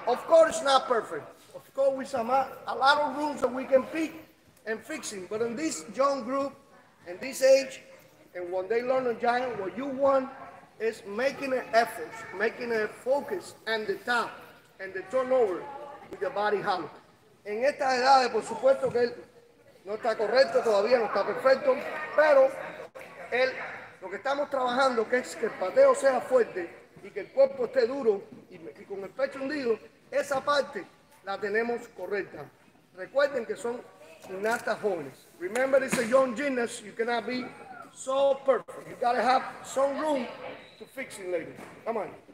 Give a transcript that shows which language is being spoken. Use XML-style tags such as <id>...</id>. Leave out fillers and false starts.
<en>Of course, not perfect. Of course, we have a lot of rules that we can pick and fix him. But in this young group, in this age, and when they learn a giant, what you want is making an effort, making a focus and the top. And the turnover with the body hollow.</en> <es>En estas edades, por supuesto que él no está correcto todavía, no está perfecto, pero él, lo que estamos trabajando que es que el pateo sea fuerte y que el cuerpo esté duro y con el pecho hundido, esa parte la tenemos correcta. Recuerden que son gimnastas jóvenes.</es> <en>Remember, it's a young gymnast, you cannot be so perfect. You gotta have some room to fix it later. Come on.</en>